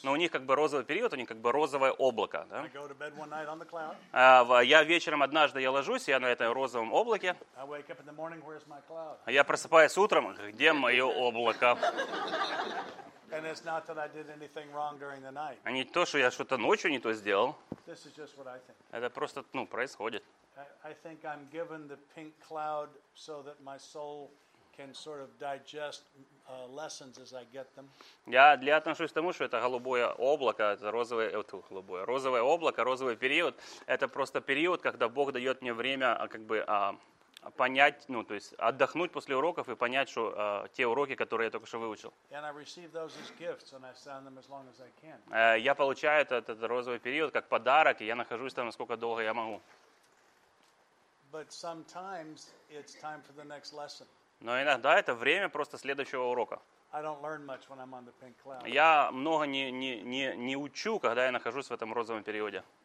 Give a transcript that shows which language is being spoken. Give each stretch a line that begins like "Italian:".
Russian: Но у них как бы розовый период, у них как бы розовое облако, да?
English: I go to bed one night on the cloud.
Russian: Я вечером однажды я ложусь, я на этом розовом облаке.
English: I wake up in the morning. Where's my cloud?
Russian: Я просыпаюсь утром, где мое облако?
English: And it's not that I did anything wrong during the night.
Russian: А не то, что я что-то ночью не то сделал.
English: This is just what I think.
Russian: Это просто, ну, происходит.
English: I think I'm given the pink cloud so that my soul can sort of digest. Lessons as I get them.
Russian: Я отношусь к тому, что это голубое облако, это розовое облако, розовый период. Это просто период, когда Бог дает мне время, как бы понять, ну, то есть отдохнуть после уроков и понять, что те уроки, которые я только что выучил.
English: And I receive those as gifts, and I stand them as long as I can.
Russian: Я получаю этот розовый период как подарок, и я нахожусь там, сколько долго я могу.
English: But sometimes it's time for the next lesson.
Russian: Но иногда это время просто следующего урока. Я много не учу, когда я нахожусь в этом розовом периоде.